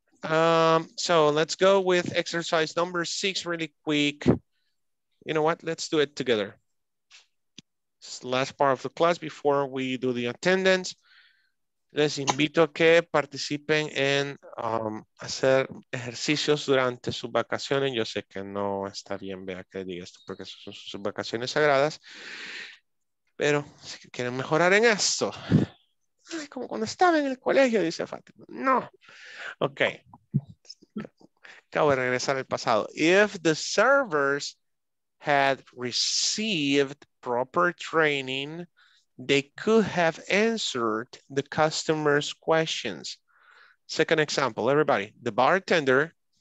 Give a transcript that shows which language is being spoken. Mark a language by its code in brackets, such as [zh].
[en] So let's go with exercise number 6 really quick. You know what? Let's do it together. It's the last part of the class before we do the attendance. [es] Les invito a que participen en hacer ejercicios durante sus vacaciones. Yo sé que no está bien, vea que diga esto, porque son sus vacaciones sagradas. Pero si quieren mejorar en esto, ay, como cuando estaba en el colegio, dice Fátima. No. Ok. Acabo de regresar al pasado. [en] If the servers had received proper training, they could have answered the customer's questions. Second example, everybody. The bartender